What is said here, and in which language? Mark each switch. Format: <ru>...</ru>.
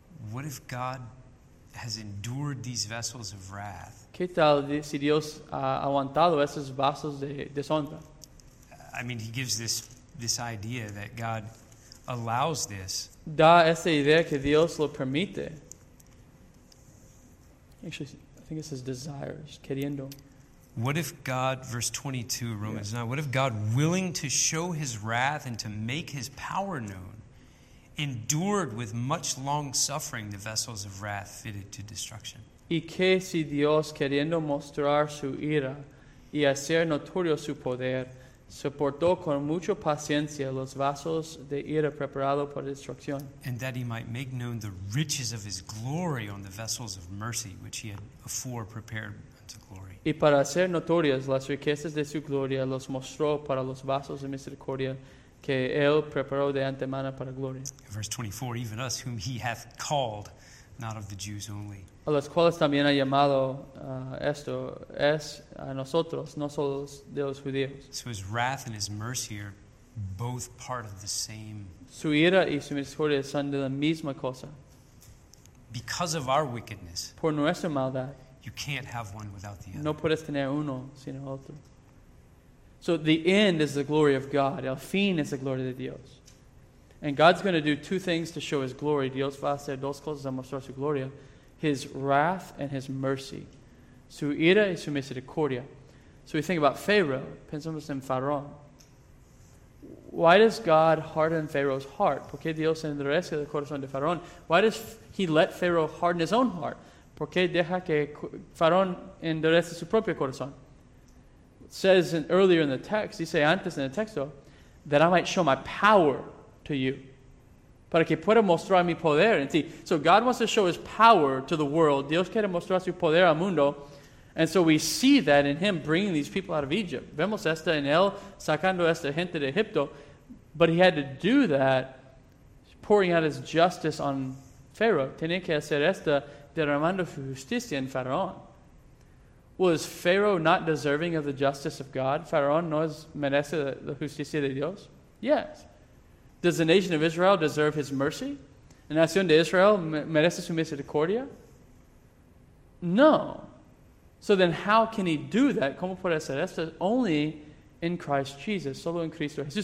<en>What if God has endured these vessels of wrath?</en> <es>¿Qué tal si Dios ha aguantado esos vasos de deshonra?</es> <en>I mean, he gives this idea that God allows this.</en> <es>Da esta idea que Dios lo permite.</es> <en>Actually, I think it says desires,</en> <es>queriendo.</es> <en>What if God, verse 22, Romans 9, what if God, willing to show his wrath and to make his power known, endured with much long suffering the vessels of wrath fitted to destruction?</en> <es>Y que si Dios, queriendo mostrar su ira y hacer notorio su poder, soportó con mucha paciencia los vasos de ira preparado para destrucción.</es> <en>And that he might make known the riches of his glory on the vessels of mercy which he had afore prepared unto glory.</en> <es>Y para hacer notorias las riquezas de su gloria los mostró para los vasos de misericordia que él preparó de antemano para gloria.</es> <en>Verse 24, even us whom he hath called, not of the Jews only.</en> <es>A los cuales también ha llamado esto es a nosotros, no solo de los judíos.</es> <en>So his wrath and his mercy are both part of the same.</en> <es>Su ira y su misericordia son de la misma cosa.</es> <en>Because of our wickedness.</en> <es>Por nuestra maldad.</es> <en>You can't have one without the other.</en> <es>No puedes tener uno sin el otro.</es> <en>So the end is the glory of God.</en> <es>El fin es la gloria de Dios.</es> <en>And God's going to do two things to show his glory.</en> <es>Dios va a hacer dos cosas a mostrar su gloria.</es> <en>His wrath and his mercy.</en> <es>Su ira y su misericordia.</es> <en>So we think about Pharaoh.</en> <es>Pensamos en Faraón.</es> <en>Why does God harden Pharaoh's heart?</en> <es>¿Por qué Dios endurece el corazón de Faraón?</es> <en>Why does he let Pharaoh harden his own heart?</en> <es>¿Por qué deja que Faraón endurece su propio corazón?</es> <en>It says earlier in the text,</en> <es>dice antes en el texto,</es> <en>that I might show my power to you.</en> <es>Para que pueda mostrar mi poder en ti.</es> <en>So God wants to show his power to the world.</en> <es>Dios quiere mostrar su poder al mundo.</es> <en>And so we see that in him bringing these people out of Egypt.</en> <es>Vemos esta en él sacando esta gente de Egipto.</es> <en>But he had to do that, pouring out his justice on Pharaoh.</en> <es>Tenía que hacer esta derramando su justicia en Faraón.</es> <en>Was Pharaoh not deserving of the justice of God?</en> <es>Faraón no es merece la justicia de Dios?</es> <en>Yes. Does the nation of Israel deserve his mercy?</en> <es>¿La nación de Israel merece su misericordia? No.</es> <en>So then how can he do that?</en> <es>¿Cómo puede hacer esto?</es> <en>Only in Christ Jesus.</en> <es>Solo en Cristo Jesús.</es>